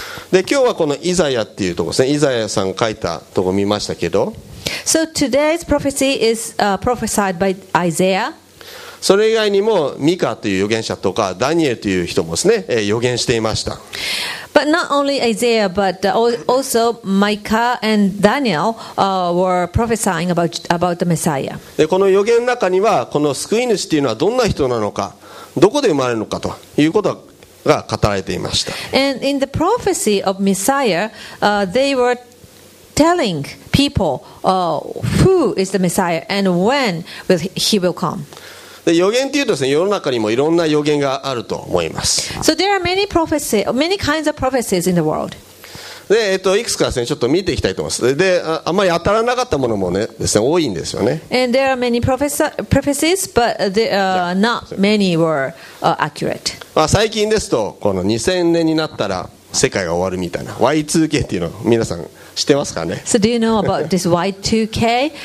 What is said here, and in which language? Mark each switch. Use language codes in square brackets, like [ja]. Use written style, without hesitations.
[ja] で今日はこのイザヤっていうとこですね。イザヤさんが書いたとこ見ましたけど。 [en] So today's prophecy is, prophesied by Isaiah. [ja] それ以外にもミカという預言者とかダニエルという人もですね、預言していました。 [en] But not only Isaiah, but also Micah and Daniel, were prophesying about the Messiah. [ja] で、この予言の中には、この救い主というのはどんな人なのか、どこで生まれるのかということが語られていました。 [en] And in the prophecy of Messiah, they were telling people, who is the Messiah and when he will come. [ja] で予言というとですね、世の中にもいろんな予言があると思います。 [en] So there are many prophecies, many kinds of prophecies in the world. [ja] で、いくつかですね、ちょっと見ていきたいと思います。で、あんまり当たらなかったものもね、ですね、多いんですよね。 [en] And there are many prophecies, but there are not many were, accurate. [ja] まあ最近ですと、この2000年になったら世界が終わるみたいな Y2K っていうのを皆さん知ってますかね。 [en] So do you know about this Y2K?